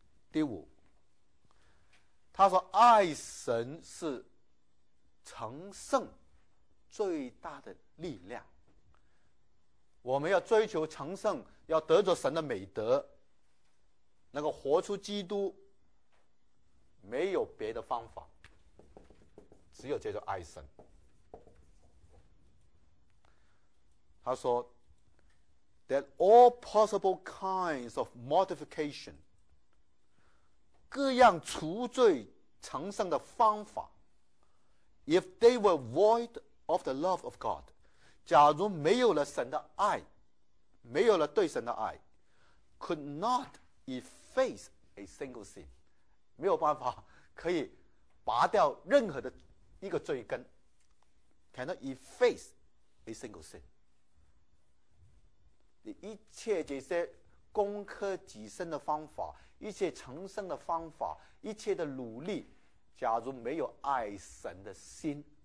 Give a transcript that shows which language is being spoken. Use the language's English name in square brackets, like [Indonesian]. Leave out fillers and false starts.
[Chinese] 第五，他说爱神是成圣最大的力量，我们要追求成圣，要得着神的美德，能够活出基督，没有别的方法，只有借着爱神。他说 [English] That all possible kinds of mortification， [Chinese] 各样除罪成圣的方法 [English] If they were void of the love of God， [Chinese] 假如没有了神的爱，没有了对神的爱， [English] Could not efface a single sin， [Chinese] 没有办法可以拔掉任何的一个罪根。 [English] Cannot efface a single sin， [Chinese] 你一切这些攻克己身的方法，一切成圣的方法，一切的努力，假如没有爱神的心，